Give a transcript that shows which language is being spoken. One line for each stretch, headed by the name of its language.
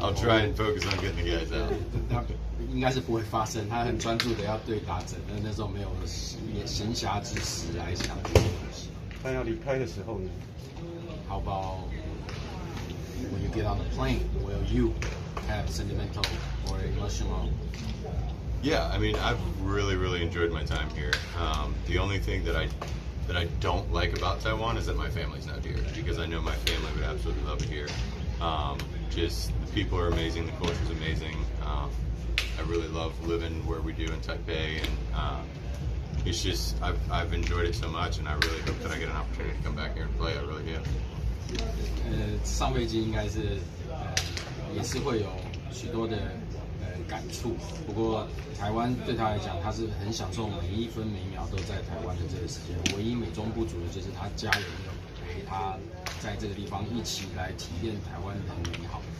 English: I'll try and focus on getting the guys out.
Chinese: 应该是不会发生，他很专注的要对打者，那时候没有闲暇之时来想这些东西。他要离开的时候呢
English: ？How about when you get on the plane? Will you have sentimental or emotional? Yeah, I mean, I've really, really enjoyed my time here. The only thing that I don't like about Taiwan is that my family's not here, because I know my family would absolutely love it here. Just the people are amazing, the culture's amazing. I really love living where we do in Taipei, and it's just, I've enjoyed it so much, and I really hope that I get an opportunity to come back here and play. I really do.
Chinese: 上辈子应该是也是会有许多的感触，不过台湾对他来讲，他是很享受每一分每一秒都在台湾的这个时间。唯一美中不足的就是他家人有陪他在这个地方一起来体验台湾的美好。